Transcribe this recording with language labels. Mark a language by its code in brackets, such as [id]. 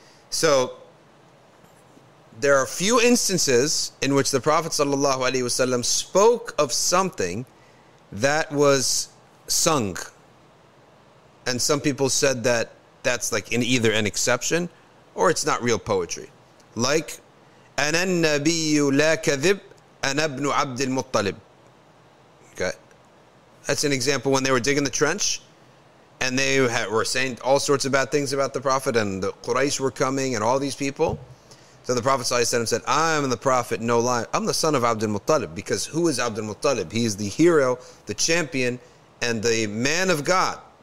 [en] So there are a few instances in which the Prophet ﷺ spoke of something that was sung And some people said that that's like in either an exception or it's not real poetry. [ar] Like, أَنَا النَّبِيُّ لَا كَذِبْ أَنَا ابْنُ عَبْدِ الْمُطَّلِبِ. [en] Okay. That's an example when they were digging the trench and they were saying all sorts of bad things about the Prophet and the Quraysh were coming and all these people. So the Prophet ﷺ said, I am the Prophet, no lie. I'm the son of Abd al-Muttalib. Because who is Abd al-Muttalib? He is the hero, the champion, and the man of God.